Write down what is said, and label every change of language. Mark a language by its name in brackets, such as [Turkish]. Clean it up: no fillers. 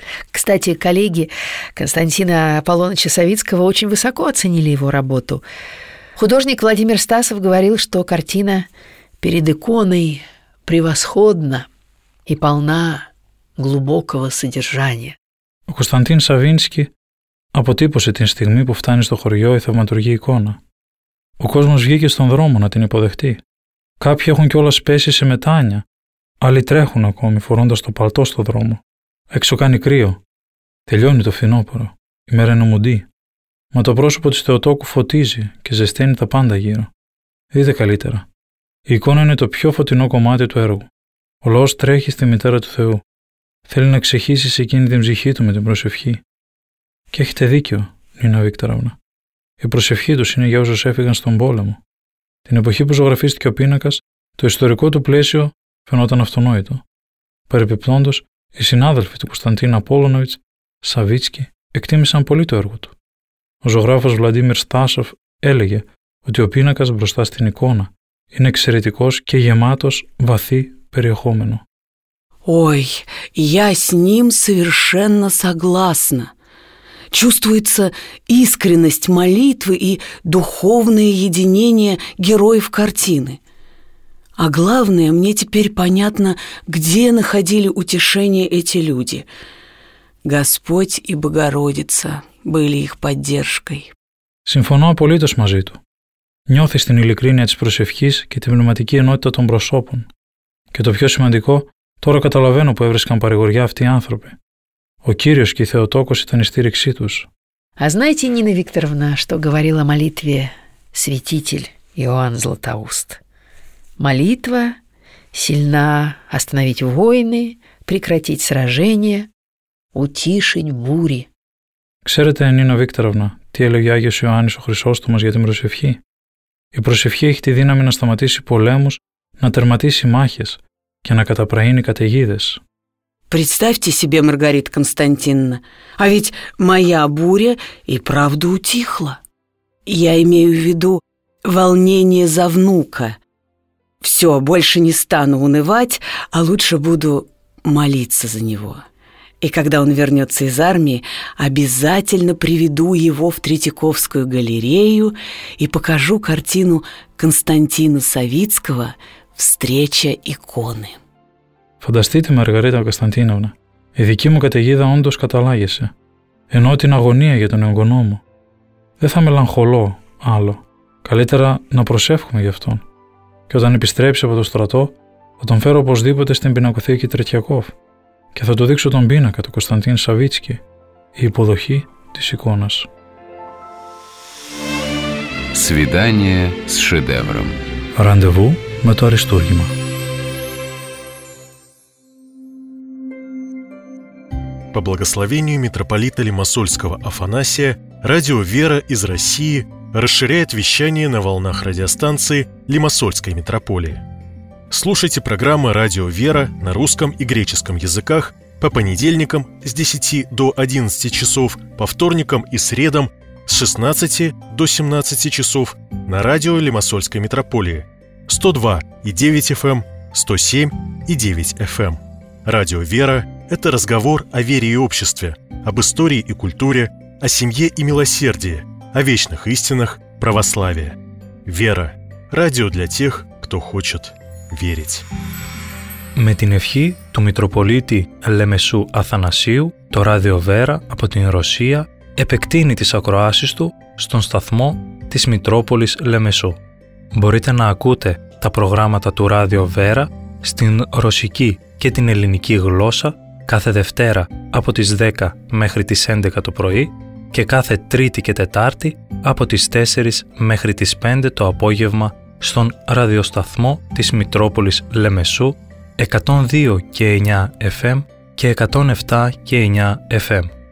[Russian] Кстати, коллеги Константина Аполлоныча Савицкого очень высоко оценили его работу. Художник Владимир Стасов говорил, что картина перед иконой превосходна и полна глубокого содержания. [Greek] Константин Савинский αποτύπωσε την στιγμή που φτάνει στο χωριό η θαυματουργή εικόνα. Ο κόσμος βγήκε στον δρόμο να την υποδεχτεί. Κάποιοι έχουν κιόλας πέσει σε μετάνια. Άλλοι τρέχουν ακόμη φορώντας το παλτό στο δρόμο. Έξω κάνει κρύο. Τελειώνει το φθινόπωρο. Η μέρα είναι μουντή. Μα το πρόσωπο της Θεοτόκου φωτίζει και ζεσταίνει τα πάντα γύρω. Δείτε καλύτερα. Η εικόνα είναι το πιο φωτεινό κομμάτι του έργου. Ο λαός τρέχει στη μητέρα του Θεού. Θέλει να ξεχύσει σε εκείνη την ψυχή του με την προσευχή. Και έχετε δίκιο, Νίνα Βίκτωραυνα. Η προσευχή τους είναι για όσους έφυγαν στον πόλεμο. Την εποχή που ζωγραφίστηκε ο πίνακας, το ιστορικό του πλαίσιο φαινόταν αυτονόητο. Παρεπιπτόντως, οι συνάδελφοι του Κωνσταντίνα Απόλλωνοβιτς, Σαββίτσκι, εκτίμησαν πολύ το έργο του. Ο ζωγράφος Βλαντίμιρ Στάσοφ έλεγε ότι ο πίνακας μπροστά στην εικόνα είναι εξαιρετικός και γεμάτος βαθύ περιεχόμενο. [Russian] Ой, я с ним совершенно согласна. Чувствуется искренность молитвы и духовное единение героев картины. А главное, мне теперь понятно, где находили утешение эти люди. Господь и Богородица были их поддержкой. [Greek] Συμφωνώ απολύτως μαζί του. Νιώθεις την ειλικρίνεια της προσευχής και την πνευματική ενότητα των προσώπων. Και το πιο σημαντικό, τώρα καταλαβαίνω που έβρισκαν παρηγοριά αυτοί οι άνθρωποι. Ο Κύριος και η Θεοτόκος ήταν η στήριξή τους. [Russian] А знаете, Нина Викторовна, что говорил о молитве святитель Иоанн Златоуст? Молитва сильна остановить войны, прекратить сражения, утишить бури. [Greek] Ξέρετε, Νίνα Βίκτωρευνα, τι έλεγε ο Άγιος Ιωάννης ο Χρυσόστομος για την προσευχή? Η προσευχή έχει τη δύναμη να σταματήσει πολέμους, να τερματίσει μάχες και να καταπραίνει καταιγίδες. [Russian] Представьте себе, Маргарита Константиновна, а ведь моя буря и правда утихла. Я имею в виду волнение за внука. Все, больше не стану унывать, а лучше буду молиться за него. И когда он вернется из армии, обязательно приведу его в Третьяковскую галерею и покажу картину Константина Савицкого «Встреча иконы». [Greek] Φανταστείτε, Μαργαρίτα Κωνσταντίνοβνα, η δική μου καταιγίδα όντως καταλάγεσαι, ενώ την αγωνία για τον εγγονό μου. Δεν θα μελαγχολώ άλλο. Καλύτερα να προσεύχομαι γι' αυτόν. Και όταν επιστρέψει από το στρατό, θα τον φέρω οπωσδήποτε στην πινακοθήκη Τρετιακόφ και θα του δείξω τον πίνακα του Κωνσταντίν Σαβίτσκι, η υποδοχή της εικόνας. [Russian] Σβιντάνιε σ σεντεύρομ. [Greek] Ραντεβού με το αριστούργημα. [Russian] По благословению митрополита Лимассольского Афанасия, радио «Вера» из России расширяет вещание на волнах радиостанции Лимассольской митрополии. Слушайте программы «Радио «Вера» на русском и греческом языках по понедельникам с 10 до 11 часов, по вторникам и средам с 16 до 17 часов на радио Лимассольской митрополии 102,9 FM, 107,9 FM. Радио «Вера» – это разговор о вере и обществе, об истории и культуре, о семье и милосердии, о вечных истинах православия. «Вера» – радио для тех, кто хочет верить. [Greek] Με την ευχή του Μητροπολίτη Λεμεσού Αθανασίου, το Ράδιο Βέρα από την Ρωσία επεκτείνει τις ακροάσεις του στον σταθμό της Μητρόπολης Λεμεσού. Μπορείτε να ακούτε τα προγράμματα του Ράδιο Βέρα στην ρωσική και την ελληνική γλώσσα κάθε Δευτέρα από τις 10 μέχρι τις 11 το πρωί και κάθε Τρίτη και Τετάρτη από τις 4 μέχρι τις 5 το απόγευμα στον ραδιοσταθμό της Μητρόπολης Λεμεσού 102,9 FM και 107,9 FM.